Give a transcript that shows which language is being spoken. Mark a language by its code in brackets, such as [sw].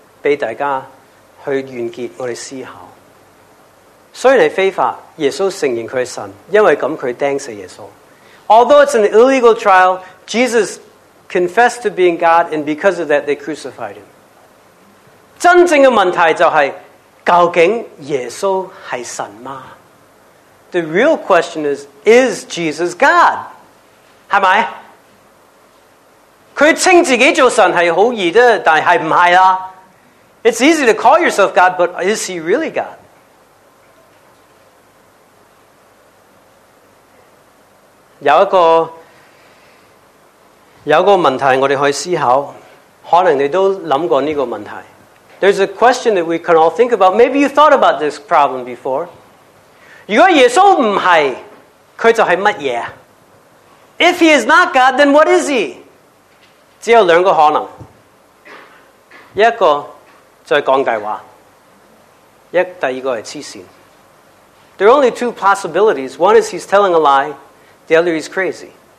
[zh] 但是个问题呢,我们今天在这里被大家去完结我们思考。虽然是非法,耶稣承认他是神,因为这样他钉死耶稣。 [en] Although it's an illegal trial, Jesus confessed to being God, and because of that, they crucified him. [zh] 真正的问题就是, 究竟耶稣是神吗? [en] The real question is Jesus God? [zh] 是吗? 他称自己做神是很容易的, 但是不是啦。 [en] It's easy to call yourself God, but is he really God? [zh] 有一个问题我们可以思考, 可能你都想过这个问题, [en] There's a question that we can all think about. Maybe you thought about this problem before. [zh] 如果耶稣不是, 他就是什么? [en] If he is not God, then what is he? [zh] 只有两个可能。一个就是讲大话, 第二个是痴线。 [en] There are only two possibilities. One is he's telling a lie, the other is crazy.